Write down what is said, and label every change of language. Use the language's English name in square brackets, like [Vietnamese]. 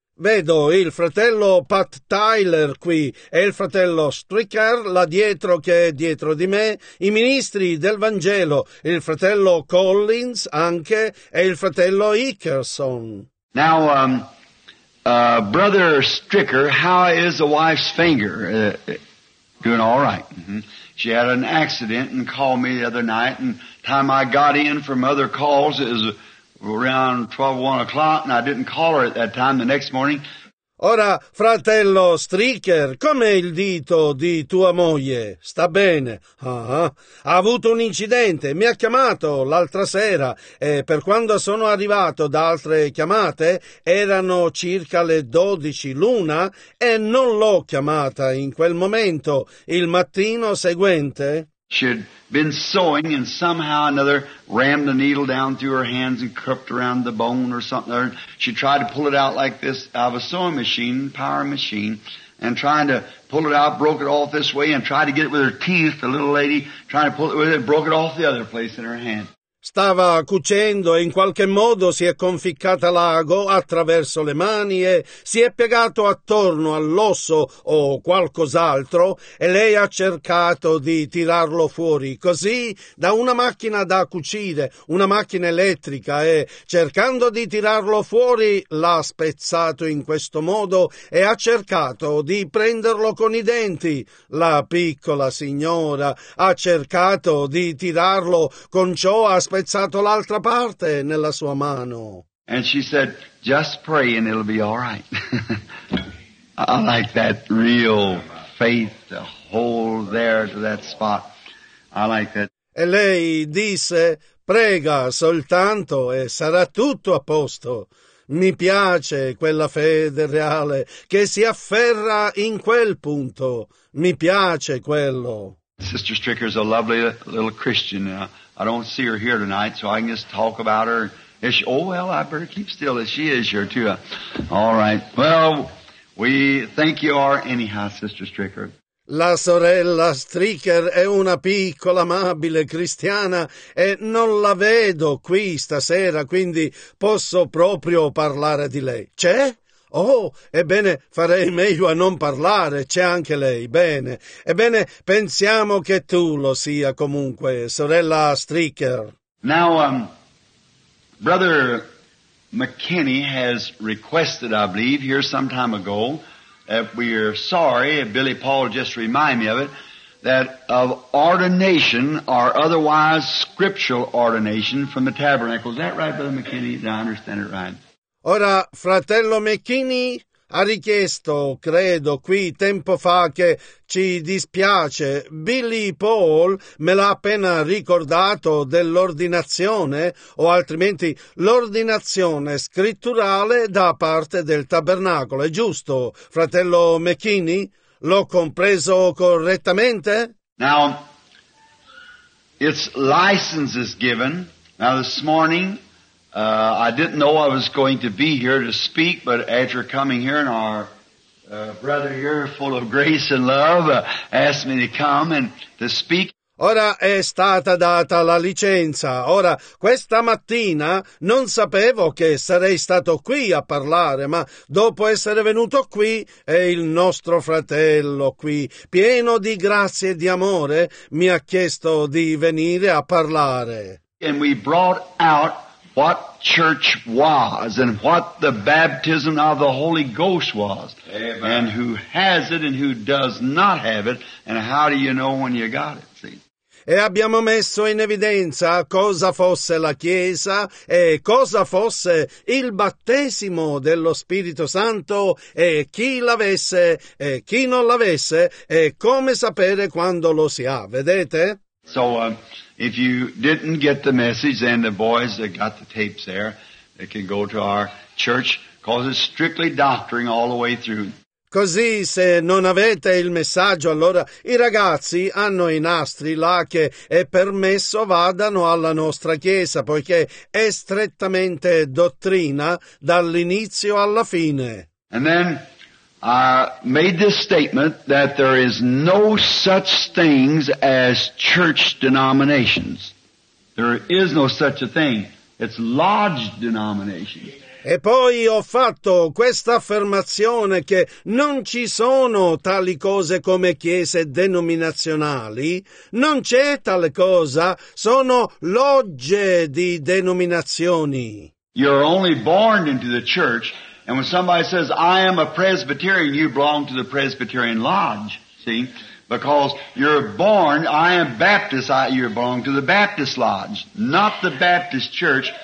[Italian] Vedo il fratello Pat Tyler qui e il fratello Stricker là dietro che è dietro di me, i ministri del Vangelo, il fratello Collins anche e il fratello Hickerson. [English] Now, Brother Stricker, how is the wife's finger? Doing all right. Mm-hmm. She had an accident and called me the other night and time I got in from other calls is around 12:01 o'clock, and I didn't call her at that time the next morning. [Italian] Ora, fratello Stricker, com'è il dito di tua moglie? Sta bene. Ha avuto un incidente. Mi ha chiamato l'altra sera e per quando sono arrivato da altre chiamate erano circa le 12:00 e non l'ho chiamata in quel momento. Il mattino seguente. [English] She had been sewing and somehow or another rammed the needle down through her hands and cupped around the bone or something. Or she tried to pull it out like this out of a sewing machine, power machine, and trying to pull it out, broke it off this way and tried to get it with her teeth, the little lady, trying to pull it with it, broke it off the other place in her hand. [Italian] Stava cucendo e in qualche modo si è conficcata l'ago attraverso le mani e si è piegato attorno all'osso o qualcos'altro e lei ha cercato di tirarlo fuori così da una macchina da cucire, una macchina elettrica e cercando di tirarlo fuori l'ha spezzato in questo modo e ha cercato di prenderlo con i denti. La piccola signora ha cercato di tirarlo con ciò a spezzato l'altra parte nella sua mano. [English] And she said, just pray and it'll be all right. I like that real faith to hold there to that spot. I like that. [Italian] E lei disse, prega soltanto e sarà tutto a posto. Mi piace quella fede reale che si afferra in quel punto. Mi piace quello. [English] Sister Stricker is a lovely little Christian. I don't see her here tonight, so I can just talk about her. Is she, oh, well, I better keep still as she is here, too. All right. Well, we think you are anyhow, Sister Stricker. [Italian] La sorella Stricker è una piccola amabile cristiana e non la vedo qui stasera, quindi posso proprio parlare di lei. C'è? Oh, ebbene, farei meglio a non parlare, c'è anche lei, bene. Ebbene, pensiamo che tu lo sia comunque, sorella Stricker. [English] Now, Brother McKinney has requested, I believe, here some time ago, that we are sorry, Billy Paul just reminded me of it, that of ordination or otherwise scriptural ordination from the tabernacle. Is that right, Brother McKinney? Did I understand it right? [Italian] Ora, fratello McKinney ha richiesto, credo, qui tempo fa che ci dispiace, Billy Paul me l'ha appena ricordato dell'ordinazione, o altrimenti l'ordinazione scritturale da parte del tabernacolo, è giusto, fratello McKinney? L'ho compreso correttamente? [English] Now, its license is given. Now, this morning, I didn't know I was going to be here to speak, but after coming here and our brother here, full of grace and love, asked me to come and to speak. [Italian] Ora è stata data la licenza. Ora, questa mattina non sapevo che sarei stato qui a parlare, ma dopo essere venuto qui, è il nostro fratello qui, pieno di grazie e di amore, mi ha chiesto di venire a parlare. [English] And we brought out what church was and what the baptism of the Holy Ghost was. Amen. And who has it and who does not have it. And how do you know when you got it? See? [Italian] E abbiamo messo in evidenza cosa fosse la Chiesa e cosa fosse il battesimo dello Spirito Santo e chi l'avesse e chi non l'avesse e come sapere quando lo si ha, vedete? [English] So, if you didn't get the message, then the boys that got the tapes there, they can go to our church, because it's strictly doctrine all the way through. [Italian] Così, se non avete il messaggio, allora i ragazzi hanno i nastri là che è permesso vadano alla nostra chiesa, poiché è strettamente dottrina dall'inizio alla fine. [English] And then I made this statement that there is no such things as church denominations. There is no such a thing. It's lodge denominations. [Italian] E poi ho fatto questa affermazione che non ci sono tali cose come chiese denominazionali, non c'è tale cosa, sono logge di denominazioni. [English] You're only born into the church. And when somebody says, I am a Presbyterian, you belong to the Presbyterian Lodge, see? Because you're born, I am Baptist, you belong to the Baptist Lodge, not the Baptist Church.